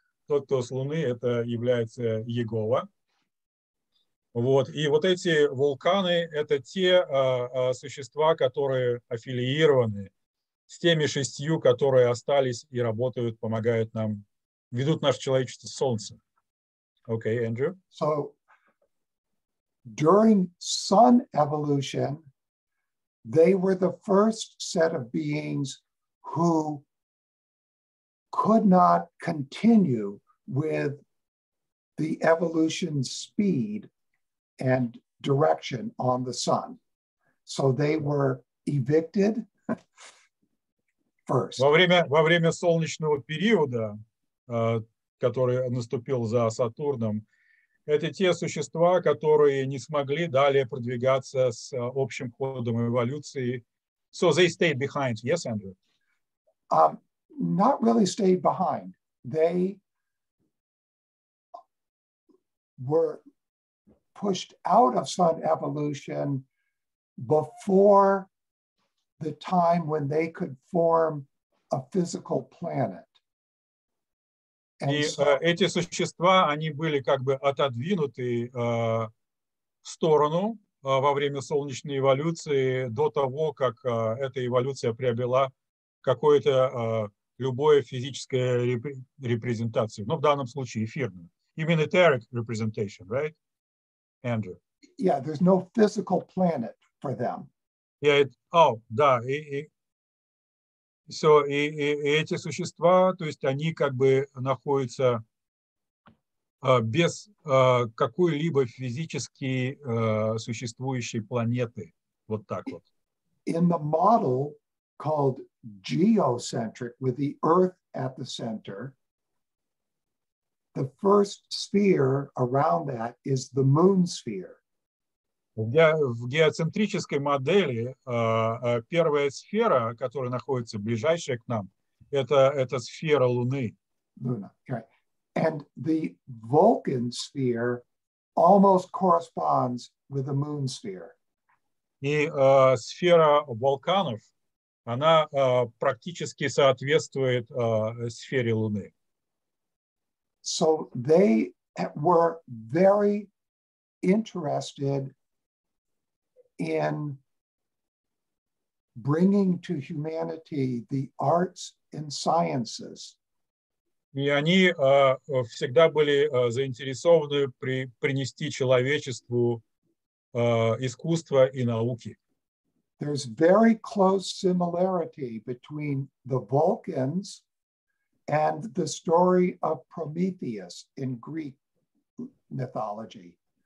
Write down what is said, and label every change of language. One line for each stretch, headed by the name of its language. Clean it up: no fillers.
Russian: Тот, кто с Луны, это является Иегова. Вот. И вот эти вулканы – это те существа, которые аффилиированы с теми шестью, которые остались и работают, помогают нам, ведут наше человечество с Солнца.
English: Okay, Andrew? So, during sun evolution, they were the first set of beings who could not continue with the evolution speed and direction on the sun. So they were evicted first.
Russian: Во время солнечного периода, который наступил за Сатурном, это те существа, которые не смогли далее продвигаться с общим ходом эволюции.
English: So they stayed behind. Yes, Andrew? Not really stayed behind. They were pushed out of sun evolution before the time when they could form a physical planet.
Russian: And эти существа, они были как бы отодвинуты в сторону во время солнечной эволюции до того, как эта эволюция приобрела какое-то любое физическое репрезентацию. Ну, в данном случае эфирное.
English: Именно etheric representation, right, Andrew? Yeah, there's no physical planet for them.
Russian: И эти существа, то есть они как бы находятся без какой-либо физически существующей планеты, вот так вот.
English: In the model called geocentric, with the Earth at the center, the first sphere around that is the moon sphere.
Russian: В геоцентрической модели первая сфера, которая находится ближайшая к нам, это сфера Луны.
English: Luna, okay. And the Vulcan sphere almost corresponds with the moon sphere.
Russian: И сфера вулканов, она практически соответствует сфере Луны.
English: So they were very interested in bringing to humanity the arts and sciences.
Russian: И они всегда были заинтересованы принести человечеству искусство и науки.
English: There's very close similarity between the Vulcans and the story of Prometheus in Greek mythology.